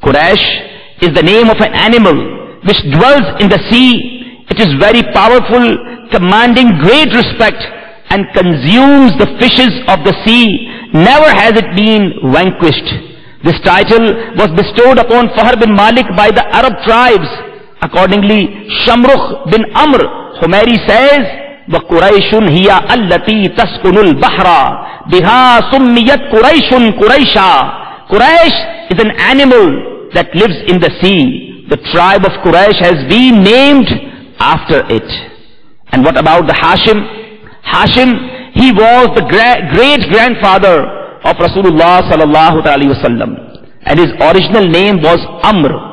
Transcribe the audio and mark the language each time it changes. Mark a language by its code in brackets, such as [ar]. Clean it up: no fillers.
[en] Quraysh is the name of an animal which dwells in the sea. It is very powerful, commanding great respect, and consumes the fishes of the sea. Never has it been vanquished. This title was bestowed upon Fahr bin Malik by the Arab tribes. Accordingly, Shamrukh bin Amr Humairi says, [ar] وَقُرَيْشٌ هِيَا أَلَّتِي تَسْكُنُ الْبَحْرَ بِهَا سُمِّيَتْ قُرَيْشٌ قُرَيْشَا. [en] Quraysh is an animal that lives in the sea. The tribe of Quraysh has been named after it. And what about the Hashim? Hashim, he was the great-grandfather of Rasulullah sallallahu alayhi wa sallam, and his original name was Amr.